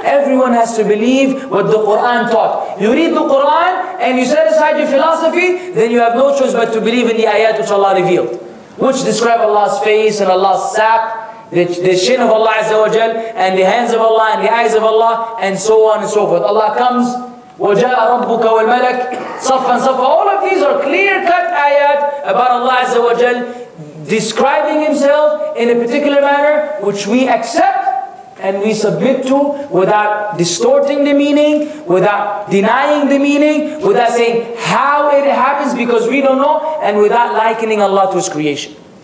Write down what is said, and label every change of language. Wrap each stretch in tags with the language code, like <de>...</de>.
<en>Everyone has to believe what the Quran taught. You read the Quran and you set aside your philosophy, then you have no choice but to believe in the ayat which Allah revealed, which describe Allah's face and Allah's saq, the shin of Allah Azza wa Jal, and the hands of Allah and the eyes of Allah, and so on and so forth. Allah comes,</en> <ar>وَجَاءَ رَبُّكَ وَالْمَلَكَ صَفًّا صَفًّا.</ar> <en>All of these are clear-cut ayat about Allah Azza wa Jal describing Himself in a particular manner, which we accept and we submit to without distorting the meaning, without denying the meaning, without saying how it happens because we don't know, and without likening Allah to His creation.</en>